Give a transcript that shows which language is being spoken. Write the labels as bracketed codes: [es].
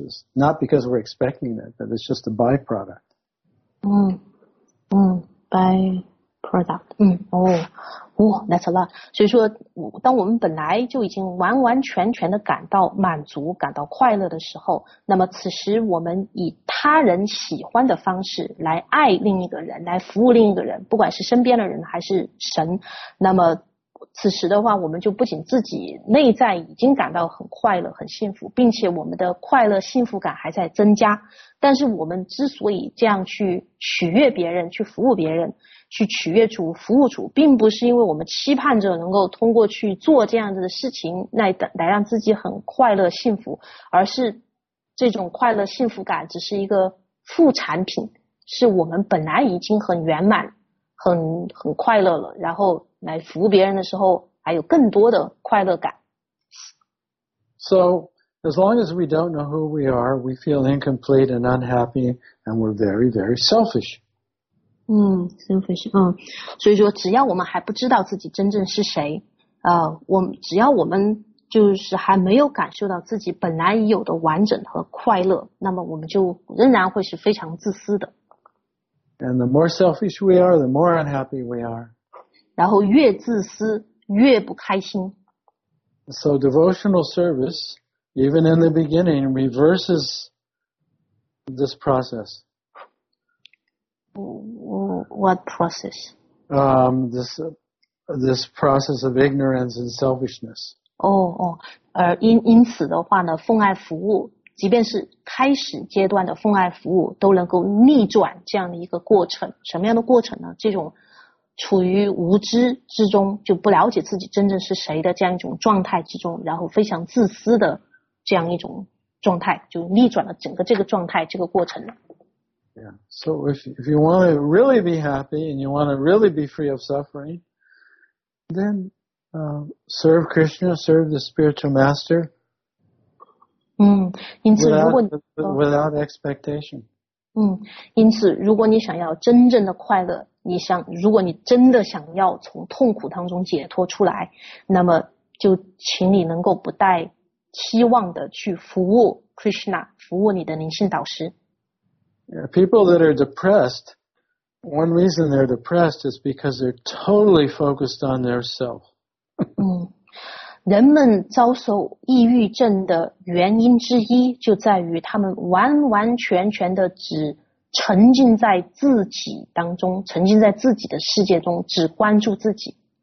[en] It's not because we're expecting it, but it's just a byproduct. Byproduct. That's a lot. [zh] 所以说当我们本来就已经完完全全的感到满足感到快乐的时候那么此时我们以他人喜欢的方式来爱另一个人来服务另一个人不管是身边的人还是神那么此时的话我们就不仅自己内在已经感到很快乐很幸福并且我们的快乐幸福感还在增加但是我们之所以这样去取悦别人去服务别人去取悦主服务主并不是因为我们期盼着能够通过去做这样子的事情 来让自己很快乐幸福而是这种快乐幸福感只是一个副产品是我们本来已经很圆满 很快乐了然后来服务别人的时候还有更多的快乐感 [en] So as long as we don't know who we are we feel incomplete and unhappy and we're very very selfish selfish, [zh] 所以说只要我们还不知道自己真正是谁只要我们就是还没有感受到自己本来已有的完整和快乐那么我们就仍然会是非常自私的。 [en] And the more selfish we are, the more unhappy we are. [zh] 然后越自私越不开心。 [en] So devotional service, even in the beginning, reverses this process. What process? This process of ignorance and selfishness. Oh, oh. [zh] 因此的话呢，奉爱服务，即便是开始阶段的奉爱服务，都能够逆转这样的一个过程。什么样的过程呢？这种处于无知之中，就不了解自己真正是谁的这样一种状态之中，然后非常自私的这样一种状态，就逆转了整个这个状态这个过程了。 [en] Yeah. So if you want to really be happy and you want to really be free of suffering, then serve Krishna, serve the spiritual master. [zh] 因此如果 [en] without expectation. [zh] 因此如果你想要真正的快乐，如果你真的想要从痛苦当中解脱出来，那么就请你能够不带期望的去服务 Krishna, 服务你的灵性导师。 [en] People that are depressed, one reason they're depressed is because they're totally focused on their self. [zh] 人们遭受抑郁症的原因之一就在于他们完完全全的只沉浸在自己当中，沉浸在自己的世界中，只关注自己。